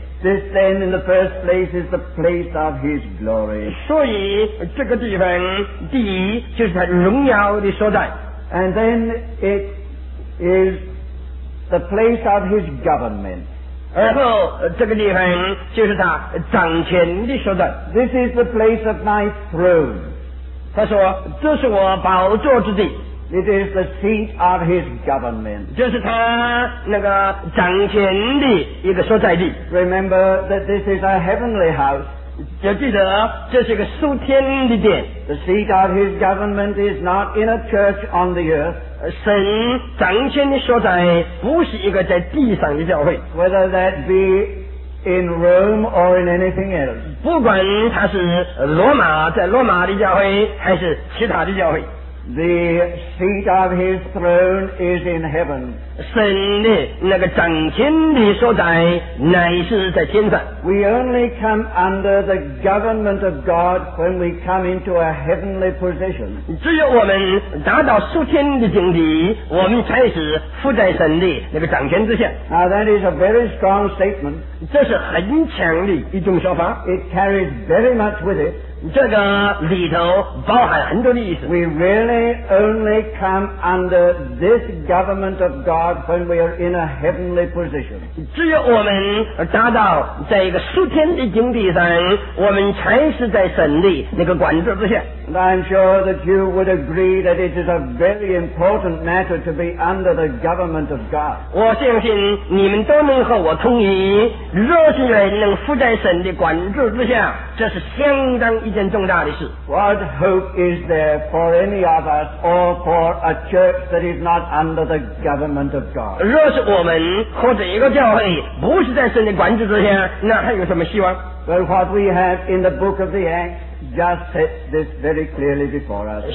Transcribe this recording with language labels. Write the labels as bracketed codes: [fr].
[en] This then in the first place is the place of his glory [zh] 所以这个地方第一就是他荣耀的所在 [en] And then it is the place of his government [zh] 然后这个地方就是他掌权的所在 [en] This is the place of my throne [zh] 他说这是我宝座之地 [en] It is the seat of his government [zh] 就是他那个掌权的一个所在地 [en] Remember that this is a heavenly house [zh] 要记得这是一个属天的殿 [en] The seat of his government is not in a church on the earth [zh] 神掌权的所在不是一个在地上的教会 [en] whether that be in Rome or in anything else [zh] 不管它是罗马在罗马的教会还是其他的教会 [en] the seat of his throne is in heaven [zh] 神的那个掌权的所在乃是在天上 [en] we only come under the government of God when we come into a heavenly position [zh] 只有我们达到属天的境地我们才是附在神的那个掌权之下 [en] now that is a very strong statement [zh] 这是很强的一种说法 [en] it carries very much with it [zh] 这个里头包含很多的意思 [en] we really only come under this government of GodWhen we are in a heavenly position, [zh] 只有我们达到在一个属天的境地上，我们才是在神的那个管制之下。 [en] And I'm sure that you would agree that it is a very important matter to be under the government of God. [zh] 我相信你们都能和我同意，若是人能附在神的管制之下，这是相当一件重大的事。 [en] What hope is there for any of us or for a church that is not under the government of God? [zh] 若是我们或者一个教会不是在神的管制之下，那还有什么希望？ [en] But what we have in the book of the Acts,Just set this very clearly before us.